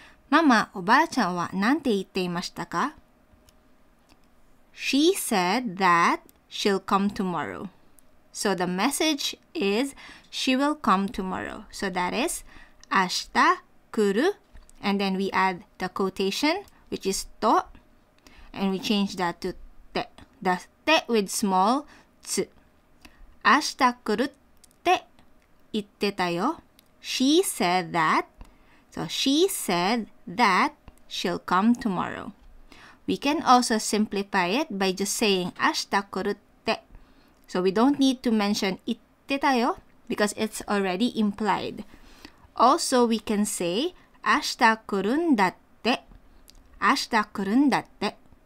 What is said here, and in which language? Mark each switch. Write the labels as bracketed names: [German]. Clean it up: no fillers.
[Japanese] ママ、おばあちゃんは何て言っていましたか? [English] She said that she'll come tomorrow. So the message is she will come tomorrow. So that is 明日来る and then we add the quotation which is と and we change that to て the て with small つ [Japanese] 明日来るって言ってたよ [English] She said thatSo she said that she'll come tomorrow. We can also simplify it by just saying [Japanese] 明日来るって. [English] So we don't need to mention [Japanese] 言ってたよ [English] because it's already implied. Also, we can say [Japanese] 明日来るんだって明日来るんだって